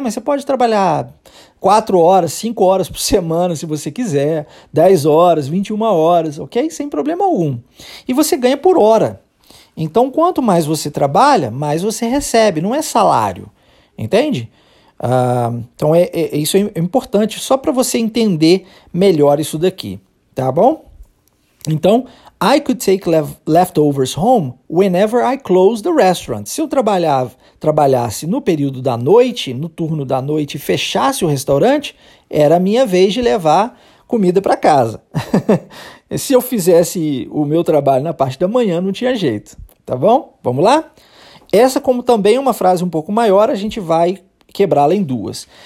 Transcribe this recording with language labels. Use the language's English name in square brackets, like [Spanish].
[Portuguese] Mas você pode trabalhar 4 horas, 5 horas por semana, se você quiser, 10 horas, 21 horas, ok? Sem problema algum. E você ganha por hora. Então, quanto mais você trabalha, mais você recebe. Não é salário, entende? Então, isso é importante só para você entender melhor isso daqui, tá bom? [English] Então, I could take leftovers home whenever I close the restaurant. [Portuguese] Se eu trabalhasse no período da noite, no turno da noite, e fechasse o restaurante, era a minha vez de levar comida para casa. Se eu fizesse o meu trabalho na parte da manhã, não tinha jeito. Tá bom? Vamos lá? Essa, como também uma frase um pouco maior, a gente vai quebrá-la em duas.